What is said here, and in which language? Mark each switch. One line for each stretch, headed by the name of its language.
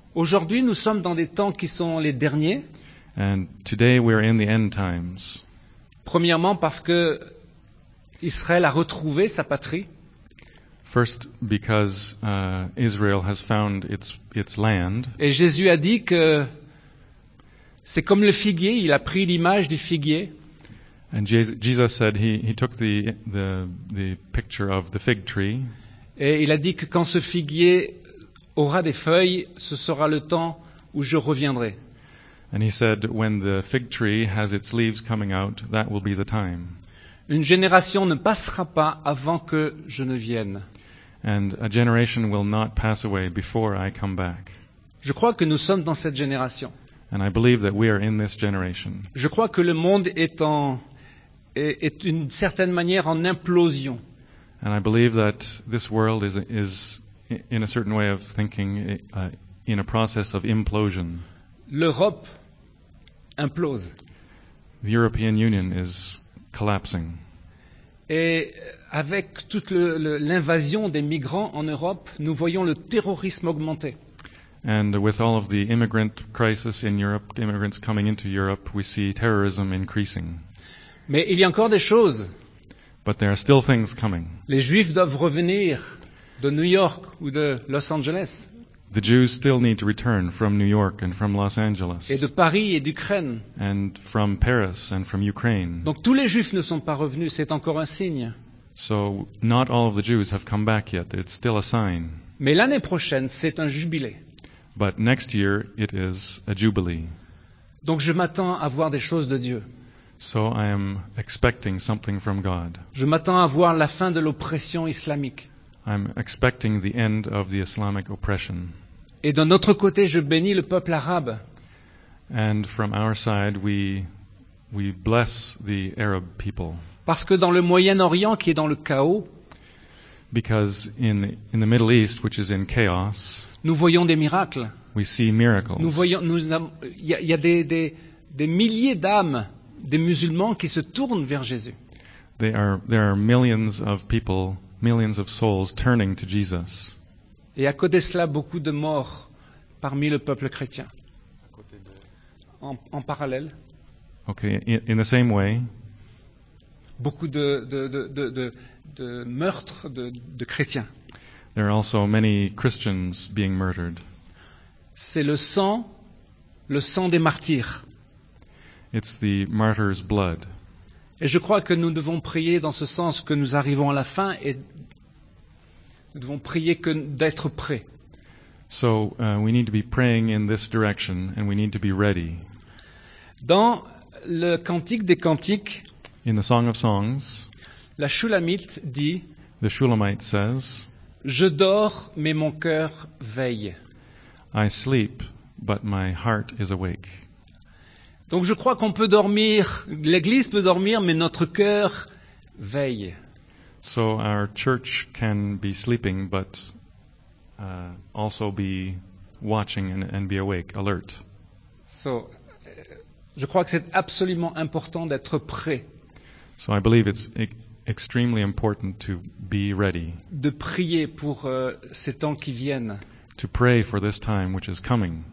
French: Aujourd'hui, nous sommes dans des temps qui sont les derniers.
English: And today we are in the end times.
French: Premièrement, parce que Israël a retrouvé sa patrie.
English: First, because Israel has found its land.
French: Et Jésus a dit que C'est comme le figuier, il a pris l'image du figuier.
English: And Jesus said he took the picture of the fig tree.
French: Et il a dit que quand ce figuier aura des feuilles, ce sera le temps où je reviendrai.
English: And he said when the fig tree has its leaves coming out, that will be the time.
French: Une génération ne passera pas avant que je ne vienne.
English: And a generation will not pass away before I come back.
French: Je crois que nous sommes dans cette génération.
English: And I believe that we are in this generation.
French: Je crois que le monde est d'une certaine manière en implosion.
English: And I believe that this world is in a certain way of thinking in a process of implosion.
French: L'Europe implose.
English: The European Union is collapsing.
French: Et avec toute l'invasion des migrants en Europe, nous voyons le terrorisme augmenter.
English: And with all of the immigrant crisis in Europe, immigrants coming into Europe, we see terrorism increasing.
French: Mais il y a encore des choses.
English: But there are still things coming.
French: Les Juifs doivent revenir de New York ou de Los Angeles.
English: The Jews still need to return from New York and from Los Angeles.
French: Et de Paris et d'Ukraine.
English: And from Paris and from Ukraine.
French: Donc tous les Juifs ne sont pas revenus, c'est encore un signe.
English: So not all of the Jews have come back yet. It's still a sign.
French: Mais l'année prochaine, c'est un jubilé.
English: But next year it is a jubilee.
French: Donc je m'attends à voir des choses de Dieu.
English: So I am expecting something from God.
French: Je m'attends à voir la fin de l'oppression islamique.
English: I'm expecting the end of the Islamic oppression.
French: Et d'un autre côté, je bénis le peuple arabe.
English: And from our side, we bless the Arab people.
French: Parce que dans le Moyen-Orient, qui est dans le chaos,
English: because in the Middle East, which is in chaos,
French: nous voyons des miracles.
English: We see miracles.
French: Nous voyons, il y a des milliers d'âmes, des musulmans qui se tournent vers Jésus.
English: There are millions of people. Millions of souls turning to Jesus.
French: Et à côté de cela, beaucoup de morts parmi le peuple chrétien. En parallèle.
English: Okay, in the same way.
French: Beaucoup de meurtres de chrétiens.
English: There are also many Christians being murdered.
French: C'est le sang des martyrs.
English: It's the martyr's blood.
French: Et je crois que nous devons prier dans ce sens que nous arrivons à la fin et nous devons prier que d'être prêts.
English: So we need to be praying in this direction and we need to be ready.
French: Dans le Cantique des Cantiques,
English: in the Song of Songs,
French: la Shulamite dit,
English: the Shulamite says,
French: je dors mais mon cœur veille.
English: I sleep but my heart is awake.
French: Donc je crois qu'on peut dormir, l'Église peut dormir, mais notre cœur veille.
English: So our church can be sleeping, but also be watching and be awake, alert.
French: So, je crois que c'est absolument important d'être prêt.
English: So I believe it's extremely important to be ready.
French: De prier pour ces temps qui viennent.
English: To pray for this time which is coming.